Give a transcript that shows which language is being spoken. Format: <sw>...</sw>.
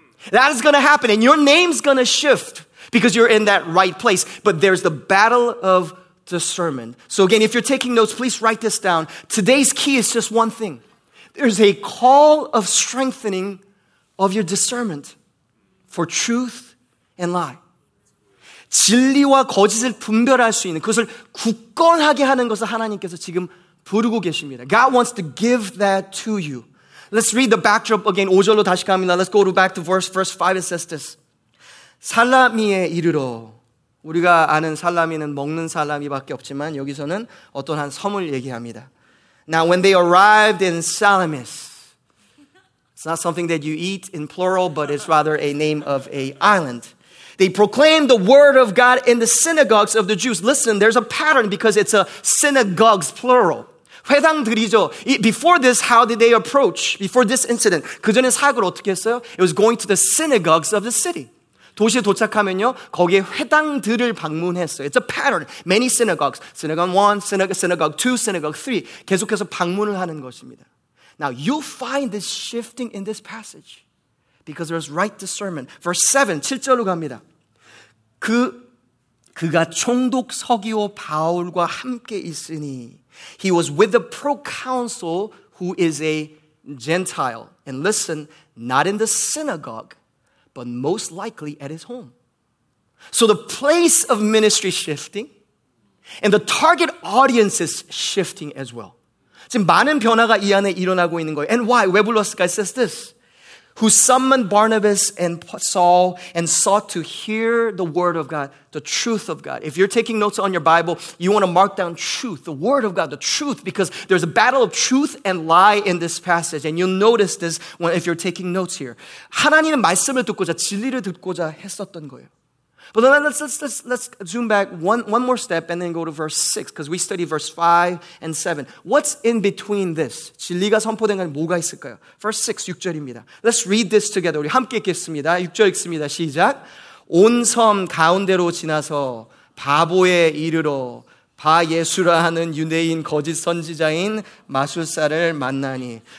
<en>That is going to happen, and your name's going to shift because you're in that right place. But there's the battle of discernment. So again, if you're taking notes, please write this down. Today's key is just one thing. There's a call of strengthening of your discernment. For truth and lie.</en> <ko>진리와 거짓을 분별할 수 있는 그것을 굳건하게 하는 것을 하나님께서 지금 부르고 계십니다.</ko> <en>God wants to give that to you. Let's read the backdrop again.</en> <ko>5절로 다시 갑니다.</ko> <en>Let's go back to verse 5. It says this.</en> <ko>살라미에 이르러. 우리가 아는 살라미는 먹는 살라미밖에 없지만 여기서는 어떤 한 섬을 얘기합니다.</ko> <en>Now when they arrived in Salamis. It's not something that you eat in plural, but it's rather a name of an island. They proclaimed the word of God in the synagogues of the Jews. Listen, there's a pattern because it's a synagogues plural.</en> <ko>회당들이죠.</ko> <en>Before this, how did they approach? Before this incident,</en> <ko>그 전에 사역을 어떻게 했어요?</ko> <en>It was going to the synagogues of the city.</en> <ko>도시에 도착하면요, 거기에 회당들을 방문했어요.</ko> <en>It's a pattern. Many synagogues. Synagogue 1, synagogue 2, synagogue 3.</en> <ko>계속해서 방문을 하는 것입니다.</ko> <en>Now, you'll find this shifting in this passage because there's right discernment. Verse 7, 7절로 갑니다.</en> <ko>그가 총독 서기오 바울과 함께 있으니</ko> <en>he was with the proconsul who is a Gentile. And listen, not in the synagogue, but most likely at his home. So the place of ministry shifting and the target audience is shifting as well.</en> <ko>지금 많은 변화가 이 안에 일어나고 있는 거예요.</ko> <en>And why?</en> <ko>왜 불렀을까?</ko> <en>It says this. Who summoned Barnabas and Saul and sought to hear the word of God, the truth of God. If you're taking notes on your Bible, you want to mark down truth, the word of God, the truth, because there's a battle of truth and lie in this passage. And you'll notice this when, if you're taking notes here.</en> <ko>하나님의 말씀을 듣고자, 진리를 듣고자 했었던 거예요.</ko> <en>But let's zoom back one more step and then go to verse 6 because we study verse 5 and 7. What's in between this?</en> <ko>진리가 선포된 건 뭐가 있을까요?</ko> <en>Verse 6,</en> <ko>6절입니다.</ko> <en>Let's read this together.</en> <ko>우리 함께 읽겠습니다. 6절 읽습니다. 시작. 온 섬 가운데로 지나서 바보에 이르러 바 예수라 하는 유대인 거짓 선지자인 마술사를 만나니.</ko>